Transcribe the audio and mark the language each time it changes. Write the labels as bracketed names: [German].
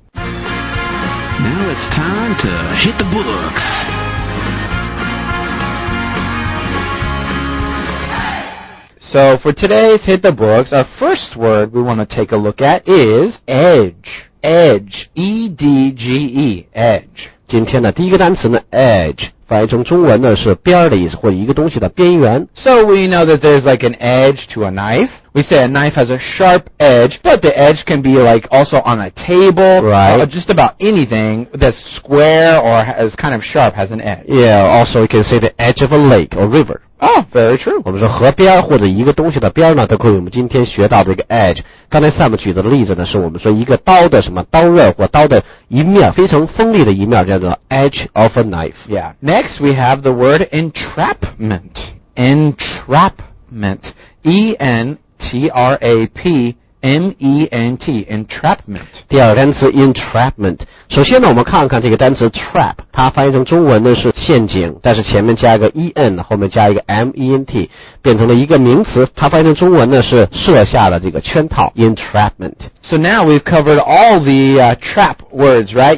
[English] Now it's time to hit the books. So for today's Hit the Books, our first word we want to take a look at is edge. Edge. E-D-G-E. Edge. [Chinese] 今天的第一个单词呢 edge, 翻译成中文呢是边的意思或者一个东西的边缘。 [English] So we know that there's like an edge to a knife. We say a knife has a sharp edge, but the edge can be like also on a table. Right. Or just about anything that's square or is kind of sharp has an edge. Yeah, also you can say the edge of a lake or river. Oh, very true. [Chinese] 我们说河边或者一个东西的边呢，都可以我们今天学到的一个 edge。刚才 Sam 举的例子呢，是我们说一个刀的什么刀刃或刀的一面，非常锋利的一面，叫做 [English] edge of a knife。 Yeah. Next, we have the word entrapment. Entrapment. E-N-T-R-A-P-M-E-N-T. Entrapment. [Chinese] 第二单词 entrapment。首先呢，我们看看这个单词 trap， 它翻译成中文呢是陷阱，但是前面加一个 en， 后面加一个 ment， 变成了一个名词。它翻译成中文呢是设下了这个圈套 entrapment。 [English] So now we've covered all the trap words, right?